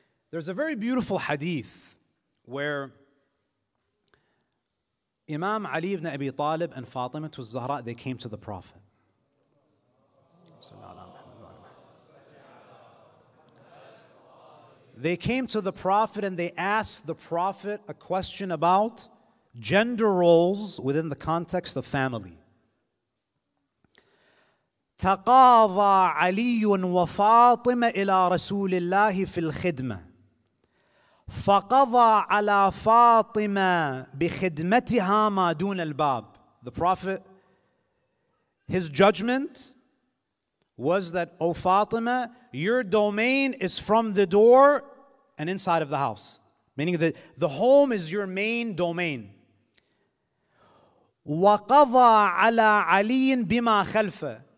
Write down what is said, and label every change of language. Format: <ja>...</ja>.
<en>There's a very beautiful hadith where Imam Ali ibn Abi Talib and Fatima al-Zahra, they came to the Prophet. They came to the Prophet and they asked the Prophet a question about gender roles within the context of family.</en> <ar>تقاضى علي وفاطمة إلى رسول الله في الخدمة فقضى على فاطمة بخدمتها ما دون الباب.</ar> <en>The Prophet, his judgment was that, O Fatima, your domain is from the door and inside of the house. Meaning that the home is your main domain.</en> <ar>وَقَضَى عَلَىٰ عَلِيٍّ بِمَا خَلْفَ.</ar>